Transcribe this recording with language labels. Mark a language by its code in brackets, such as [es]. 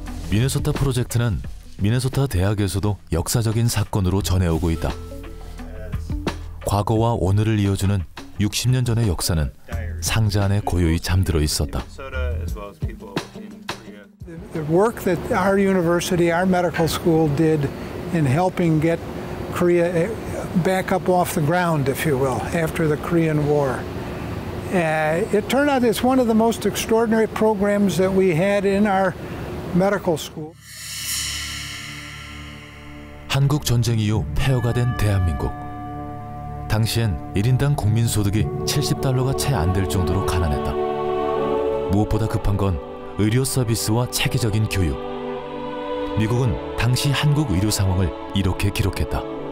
[ko] 미네소타 프로젝트는 미네소타 대학에서도 역사적인 사건으로 전해오고 있다. 과거와 오늘을 이어주는 60년 전의 역사는 상자 안에 고요히 잠들어 있었다. [en] The work that our university, our medical school did in helping get Korea back up off the ground, if you will, after the Korean War. It turned out it's one of the most extraordinary programs that we had in our medical school. [ko] 한국 전쟁 이후 폐허가 된 대한민국. 당시엔 1인당 국민소득이 $70가 채 안 될 정도로 가난했다. 무엇보다 급한 건 의료 서비스와 체계적인 교육. 미국은 당시 한국 의료 상황을 이렇게 기록했다.